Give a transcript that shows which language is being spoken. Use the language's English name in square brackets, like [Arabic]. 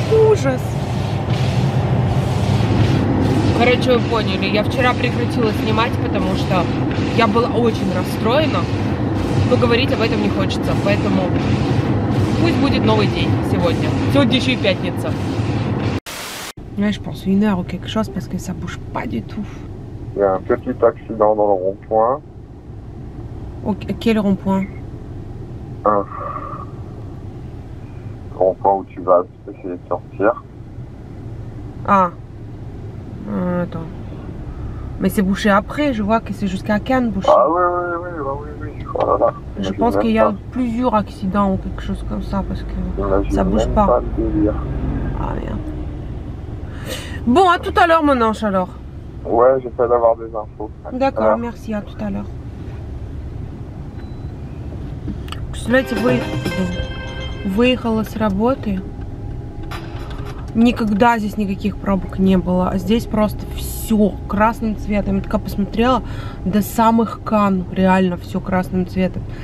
[Russian] Ужас. Короче, вы поняли, я вчера прекратила снимать, потому что я была очень расстроена, но говорить об этом не хочется, поэтому пусть будет новый день сегодня. Сегодня еще и пятница. Ну, я же [French] pense une heure ou quelque chose, parce que ça bouge pas du tout. Il y a un petit accident dans le rond-point. Quel rond-point? Le rond-point où tu vas essayer de sortir. Ah. Attends. Mais c'est bouché après, je vois que c'est jusqu'à Cannes bouché. Ah oui. Oh là là. Je pense qu'il y a plusieurs accidents ou quelque chose comme ça parce que j'imagine ça bouge pas. Ah merde. Bon, à tout à l'heure mon ange alors. Ouais, j'essaie d'avoir des infos. D'accord, voilà. Merci, à tout à l'heure. [Russian] Представляете, выехала с работы. Никогда здесь никаких пробок не было. Здесь просто все красным цветом. Я такая посмотрела, до самых Кан реально все красным цветом.